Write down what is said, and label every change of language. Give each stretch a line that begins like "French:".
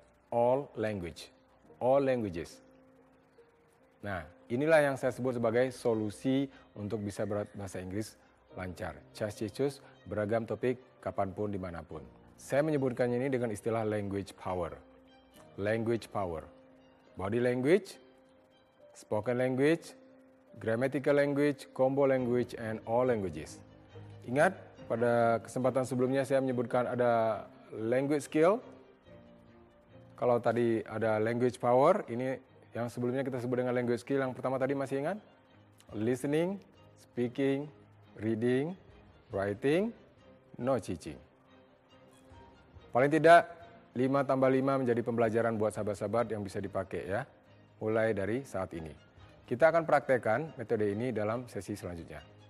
English: All language. All languages.
Indonesian: Nah, inilah yang saya sebut sebagai solusi untuk bisa bahasa Inggris lancar. Cus-cus, beragam topik, kapanpun, dimanapun. Saya menyebutkannya ini dengan istilah language power.
English: Language power. Body language, spoken language, grammatical language, combo language, and all languages.
Indonesian: Ingat, pada kesempatan sebelumnya saya menyebutkan ada language skill. Kalau tadi ada language power, ini yang sebelumnya kita sebut dengan language skill. Yang pertama tadi masih ingat?
English: Listening, speaking, reading, writing, no cheating.
Indonesian: Paling tidak 5 tambah 5 menjadi pembelajaran buat sahabat-sahabat yang bisa dipakai ya. Mulai dari saat ini. Kita akan praktekkan metode ini dalam sesi selanjutnya.